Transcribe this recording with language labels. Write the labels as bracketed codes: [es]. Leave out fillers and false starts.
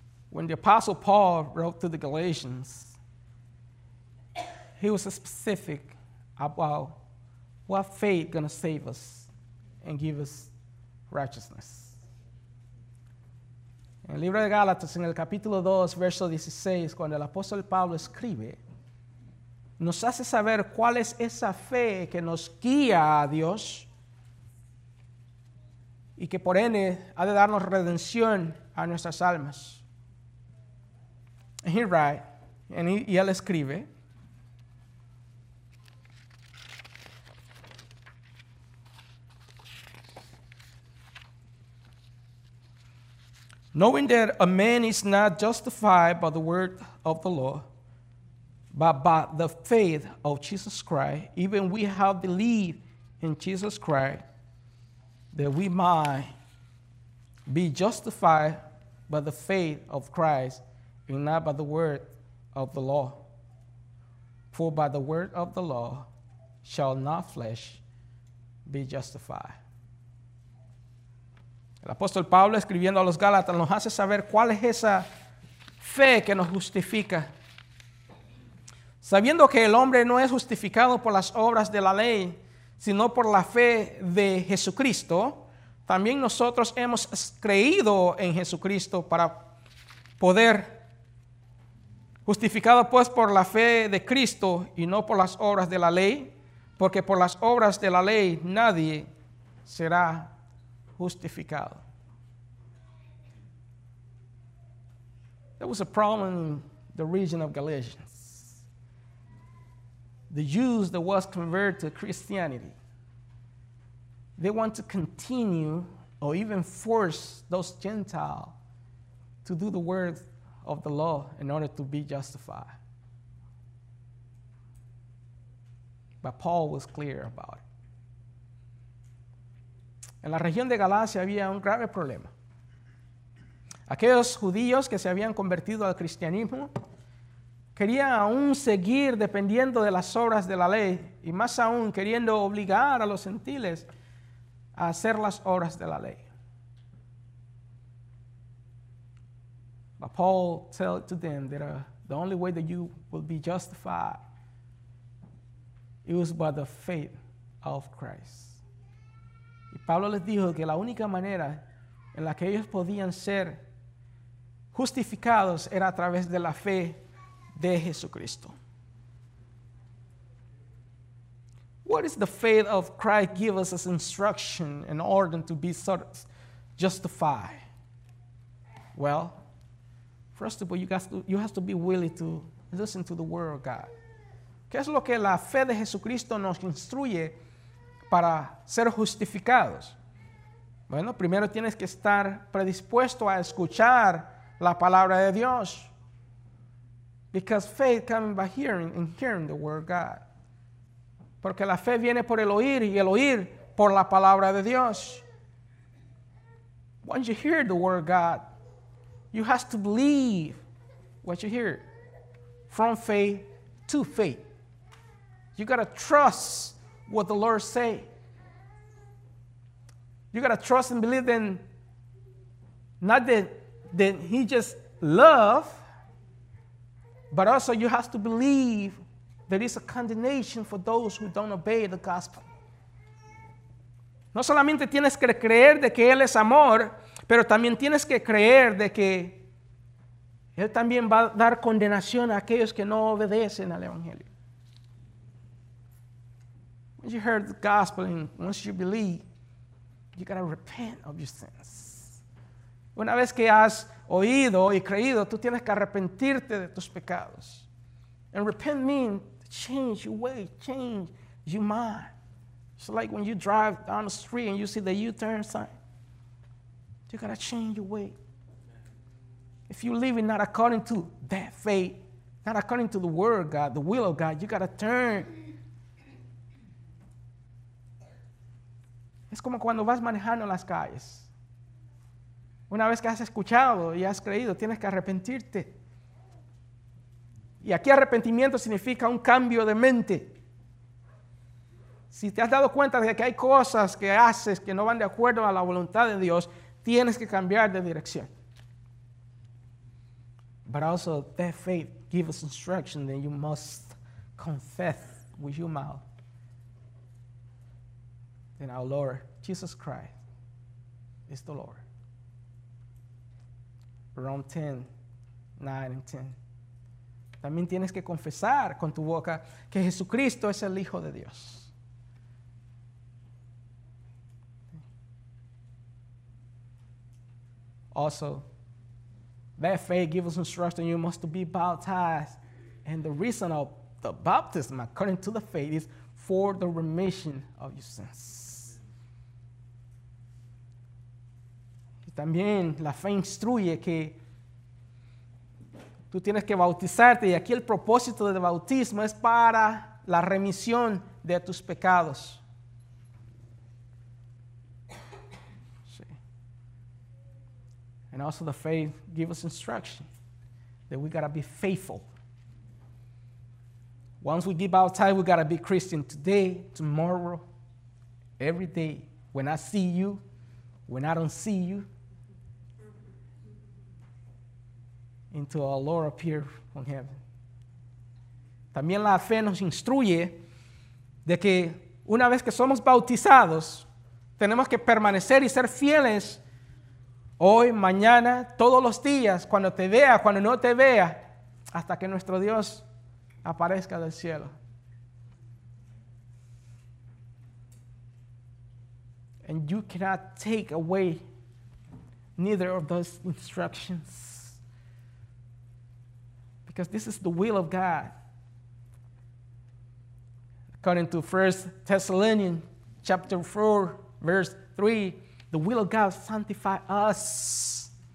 [en] When the Apostle Paul wrote to the Galatians, he was specific about what faith is going to save us and give us righteousness. [es] En el libro de Gálatas, en el capítulo 2, verso 16, cuando el apóstol Pablo escribe, nos hace saber cuál es esa fe que nos guía a Dios y que por ende ha de darnos redención a nuestras almas. [en] He write, [es] y él escribe, [en] knowing that a man is not justified by the word of the law, but by the faith of Jesus Christ, even we have believed in Jesus Christ, that we might be justified by the faith of Christ and not by the word of the law. For by the word of the law shall not flesh be justified. [es] El apóstol Pablo escribiendo a los Gálatas nos hace saber cuál es esa fe que nos justifica. Sabiendo que el hombre no es justificado por las obras de la ley, sino por la fe de Jesucristo, también nosotros hemos creído en Jesucristo para poder justificado pues por la fe de Cristo y no por las obras de la ley, porque por las obras de la ley nadie será justificado. [en] There was a problem in the region of Galatians. The Jews that was converted to Christianity, they want to continue or even force those Gentiles to do the work of the law in order to be justified. But Paul was clear about it. [es] En la región de Galacia había un grave problema. Aquellos judíos que se habían convertido al cristianismo querían aún seguir dependiendo de las obras de la ley y más aún queriendo obligar a los gentiles a hacer las obras de la ley. [en] But Paul told to them that the only way that you will be justified is by the faith of Christ. [es] Y Pablo les dijo que la única manera en la que ellos podían ser justificados era a través de la fe de Jesucristo. [en] What is the faith of Christ give us as instruction in order to be justified? Well, first of all, you have to be willing to listen to the word of God. [es] ¿Qué es lo que la fe de Jesucristo nos instruye para ser justificados? Bueno, primero tienes que estar predispuesto a escuchar la palabra de Dios. [en] Because faith comes by hearing and hearing the word of God. [es] Porque la fe viene por el oír y el oír por la palabra de Dios. [en] Once you hear the word of God, you have to believe what you hear. From faith to faith. You got to trust what the Lord say. You got to trust and believe in not that he just love, but also you have to believe there is a condemnation for those who don't obey the gospel. [es] No solamente tienes que creer de que él es amor, pero también tienes que creer de que él también va a dar condenación a aquellos que no obedecen al evangelio. [en] Once you heard the gospel and once you believe, you got to repent of your sins. [es] Una vez que has oído y creído, tú tienes que arrepentirte de tus pecados. [en] And repent means change your way, change your mind. It's like when you drive down the street and you see the U-turn sign. You got to change your way. If you're living not according to that faith, not according to the word of God, the will of God, you got to turn. [es] Es como cuando vas manejando las calles. Una vez que has escuchado y has creído, tienes que arrepentirte. Y aquí arrepentimiento significa un cambio de mente. Si te has dado cuenta de que hay cosas que haces que no van de acuerdo a la voluntad de Dios, tienes que cambiar de dirección. [en] But also that faith gives us instruction that you must confess with your mouth that our Lord Jesus Christ is the Lord. Romans 10:9-10. [es] También tienes que confesar con tu boca que Jesucristo es el Hijo de Dios. [en] Also, that faith gives us instruction you must be baptized. And the reason of the baptism according to the faith is for the remission of your sins. [es] Y también la fe instruye que tú tienes que bautizarte, y aquí el propósito del bautismo es para la remisión de tus pecados. Sí. [en] And also the faith gives us instruction that we got to be faithful. Once we get baptized, we got to be Christian today, tomorrow, every day. When I see you, when I don't see you, until our Lord appear from heaven. [es] También la fe nos instruye de que una vez que somos bautizados, tenemos que permanecer y ser fieles hoy, mañana, todos los días, cuando te vea, cuando no te vea, hasta que nuestro Dios aparezca del cielo. [en] And you cannot take away neither of those instructions. Because this is the will of God. According to 1 Thessalonians chapter 4, verse 3, the will of God sanctify us.